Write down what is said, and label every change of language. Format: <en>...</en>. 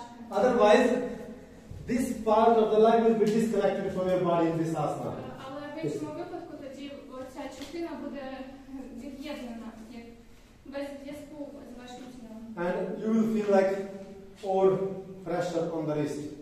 <en>Otherwise, this part of the leg will be disconnected from your body in this asana.</en> <uk>Але в іншому випадку тоді оця частина буде від'єднана, як без зв'язку з вашим тілом.</uk> <en>And you will feel like all pressure on the wrist.</en>